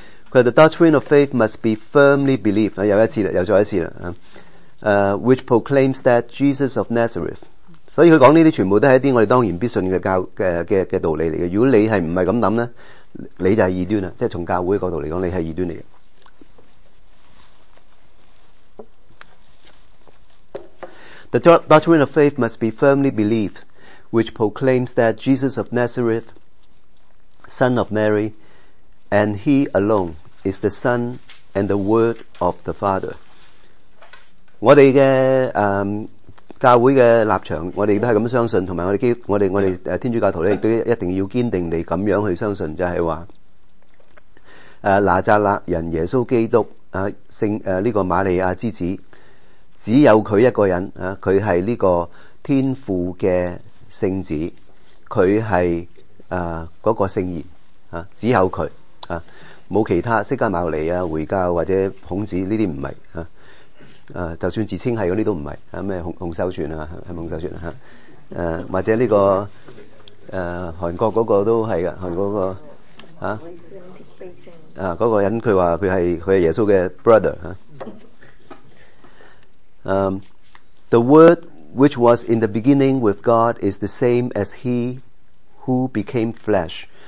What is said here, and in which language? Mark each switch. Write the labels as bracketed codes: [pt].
[zh] 他说 [en] the doctrine of faith must be firmly believed， [zh] 又一次了，又再一次了， [en] which proclaims that Jesus of Nazareth。 [zh] 所以他讲这些全部都是一些我们当然必信 的道理来的。如果你是不是这么想呢，你就是异端，即是从教会的角度来讲你是异端来的。 [en] The doctrine of faith must be firmly believed, which proclaims that Jesus of Nazareth, son of Mary, and he alone is the son and the word of the Father. [zh] 我们的教会的立场我们都是这样相信，还有我们天主教徒也一定要坚定地这样去相信，就是说拿撒勒人耶稣基督这个玛利亚之子，只有他一个人，他是这个天父的圣子，他是那个圣言，只有他，没有其他释迦牟尼回教或者孔子，这些不是就算自稱是那些都不是，什麼洪秀全啊，是洪秀全啊，或者這個韓國那個都是的，韓國那個那個人他說他是耶穌的 brother。 [en] The word which was in the beginning with God is the same as he who became flesh。